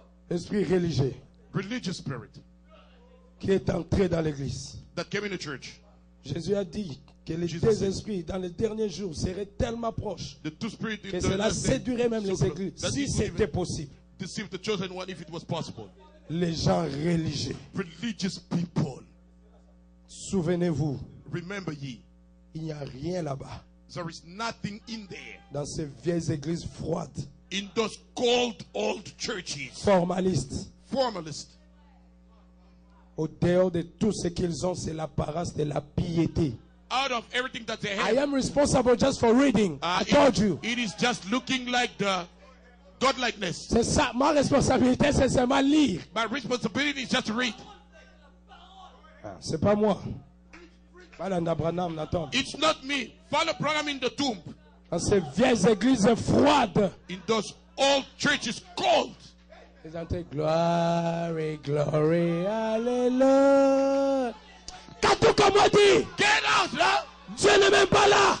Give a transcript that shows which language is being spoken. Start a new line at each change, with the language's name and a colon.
French: Esprit religieux.
English: Religious spirit.
French: Qui est entré dans l'église.
English: That came in the church.
French: Jésus a dit que les deux esprits dans les derniers jours seraient tellement proches
English: the two spirit
French: que cela séduirait même les églises, si c'était possible.
English: Deceive the chosen one if it was possible.
French: Les gens religieux.
English: Religious people.
French: Souvenez-vous.
English: Remember ye.
French: Il n'y a rien là-bas.
English: There is nothing in there.
French: Dans ces vieilles églises froides.
English: In those cold old churches.
French: Formalistes.
English: Formalist.
French: Au dehors de tout ce qu'ils ont, c'est l'apparence de la piété.
English: Out of everything that they have. I am responsible just for reading. I told you. It is just looking like the godlikeness.
French: C'est ça, ma responsabilité, c'est seulement lire.
English: My responsibility is just to read.
French: Ah, c'est pas moi. Pas l'Abraham dans la tombe.
English: It's not me. Follow Abraham in the tomb.
French: Dans ces vieilles églises froides.
English: In those old churches cold.
French: Ils ont dit
English: glory, glory,
French: alléluia. Qu'a tout comme on dit?
English: Get out,
French: là. Dieu n'est même pas là.